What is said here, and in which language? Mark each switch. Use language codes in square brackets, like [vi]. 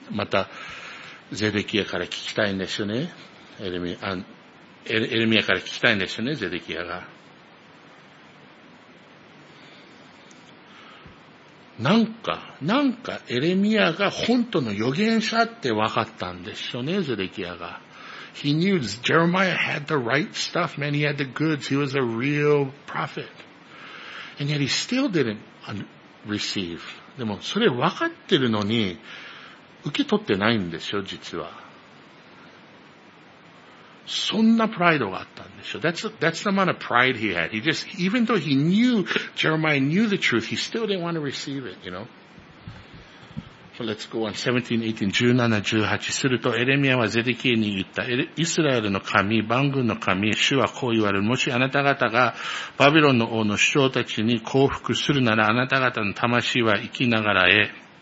[ja] また、ゼデキアから聞きたいんですよね。エレミアから聞きたいんですよね、ゼデキアが。なんかエレミアが本当の預言者って分かったんでしょうね、ゼデキアが。 [en] He knew Jeremiah had the right stuff, man. He had the goods. He was a real prophet. And yet he still didn't receive. [ja] でもそれ分かってるのに受け取ってないんでしょう、実は。そんなプライドがあったんでしょ。 [en] That's the amount of pride he had. Even though he knew, Jeremiah knew the truth, he still didn't want to receive it, you know. So let's go on. 17, 18, 17, 18. [ja] すると、エレミアはゼデキエに言った。イスラエルの神、万軍の神、主はこう言われる。もしあなた方がバビロンの王の首長たちに降伏するなら、あなた方の魂は生きながらえ。